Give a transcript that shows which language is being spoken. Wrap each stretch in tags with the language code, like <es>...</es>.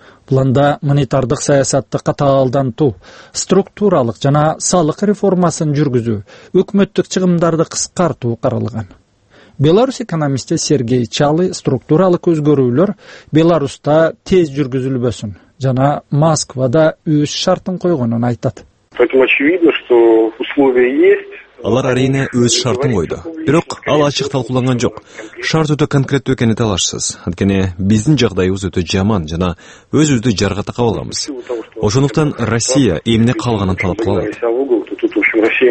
<ky>Планда монетардык саясатты катаалдантуу, структуралык жана салык реформасын жүргүзүү, өкмөттүк чыгымдарды кыскартуу каралган. Беларусь экономисти Сергей Чалы структуралык өзгөрүүлөр Беларусьта тез жүргүзүлбөсүн жана Москвада өз шартын койгонун айтат.</ky> <ru>Поэтому очевидно, что условия есть.</ru> <ky>Алар арене өз шартын койду. Бирок ал ачык талкууланган жок. Шарт өтө конкреттүү экенин талашсыз. Анткени биздин жагдайыбыз өтө жаман жана өзүбүздү жарга така алабыз. Ошондуктан Россия эмне калганын талап кыла алат.</ky>